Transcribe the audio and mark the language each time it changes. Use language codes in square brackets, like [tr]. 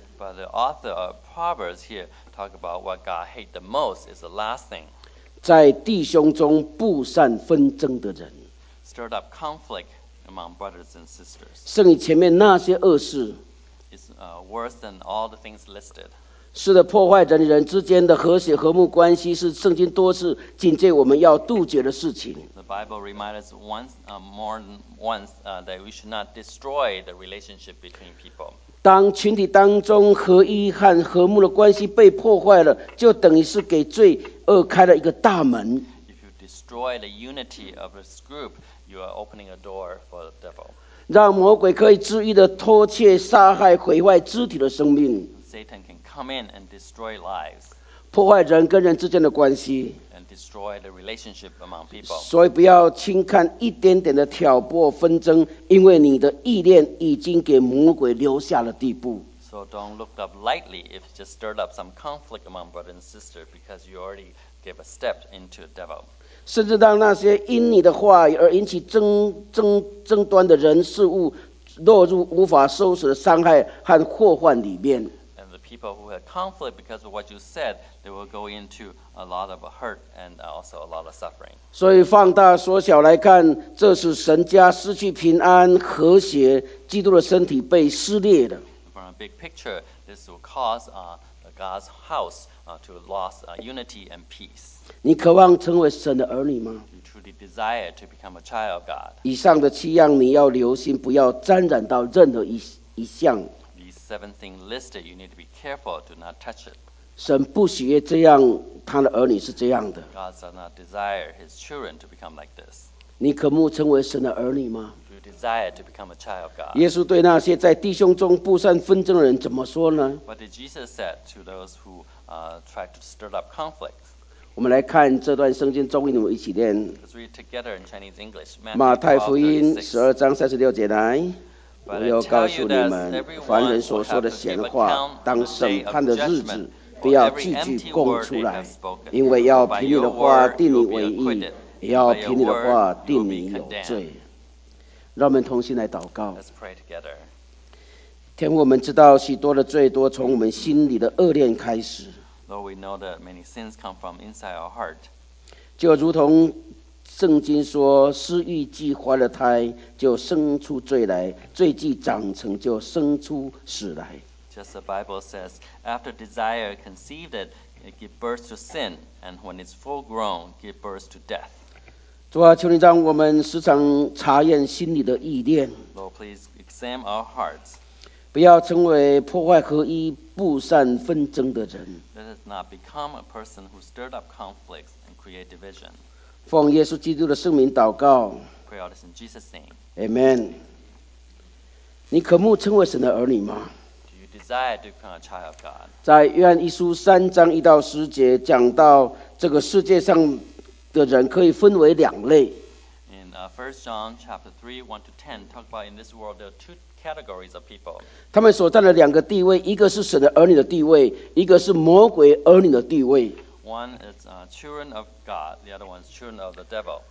[en] But the author of Proverbs here talk about what God hates the most is the last thing. [zh] 在弟兄中不善纷争的人。 [en] stirred up conflict among brothers and sisters. [zh] 胜于前面那些恶事。 [en] It's worse than all the things listed. [zh] 是的，破坏人与人之间的和谐和睦关系是圣经多次警戒我们要杜绝的事情。 [en] The Bible reminds us more than once that we should not destroy the relationship between people. [zh] 当群体当中合一和和睦的关系被破坏了，就等于是给罪恶开了一个大门。 [en] Destroy the unity of this group, you are opening a door for the devil. [zh] 让魔鬼可以恣意的偷窃、杀害、毁坏肢体的生命。 [en] Satan can come in and destroy lives. [zh] 破坏人跟人之间的关系。 [en] And destroy the relationship among people. [zh] 所以不要轻看一点点的挑拨纷争，因为你的意念已经给魔鬼留下了地步。 [en] So don't look up lightly if you just stirred up some conflict among brother and sister because you already gave a step into the devil. [zh] 甚至当那些因你的话而引起 争端的人事物落入无法收拾的伤害和祸患里面。 [en] And the people who had conflict because of what you said, they will go into a lot of hurt and also a lot of suffering. [zh] 所以放大缩小来看，这是神家失去平安和谐，基督的身体被撕裂的。 [en] From a big picture, this will cause God's house to lose unity and peace. [zh] 你渴望成为神的儿女吗？ [en] You truly desire to become a child of God. [zh] 以上的七样你要留心，不要沾染到任何一项。 [en] These seven things listed, you need to be careful, do not touch it. [zh] 神不喜悦这样，他的儿女是这样的。 [en] God does not desire his children to become like this. [zh] 你渴慕成为神的儿女吗？ [en] You desire to become a child of God. [zh] 耶稣对那些在弟兄中不善纷争的人怎么说呢？ [en] What did Jesus say to those who tried to stir up conflict? [zh] 我们来看这段圣经中文，我们一起念。 [en] Let's read together in Chinese English. [zh] 马太福音十二章三十六节来。我要告诉你们，凡人所说的闲话，当审判的日子，不要句句供出来，因为要凭你的话定你为义，也要凭你的话定你有罪。让我们同心来祷告。 [en] Let's pray together. [zh] 天父，我们知道许多的罪多从我们心里的恶念开始。 [en] Lord, we know that many sins come from inside our heart. [zh] 就如同圣经说，私欲既怀了胎，就生出罪来；罪既长成，就生出死来。 [en] Just the Bible says, after desire conceived it, it gives birth to sin, and when it's full grown, gives birth to death. [zh] 主啊，求你让我们时常查验心里的意念。 [en] Lord, please examine our hearts. [zh] 不要成为破坏合一、不善纷争的人。 [en] Let us not become a person who stirred up conflicts and create division. [zh] 奉耶稣基督的圣名祷告。 [en] Pray all this in Jesus' name. Amen. [zh] 你渴慕成为神的儿女吗？ [en] Desire to become a child of God. [zh] 在约翰一书三章一到十节讲到这个世界上。的人可以分为两类。 [en] In First John chapter 3:1-10, talk about in this world there are two categories of people. [zh] 他们所占的两个地位，一个是神的儿女的地位，一个是魔鬼儿女的地位。 [en] One is children of God, the other one is children of the devil.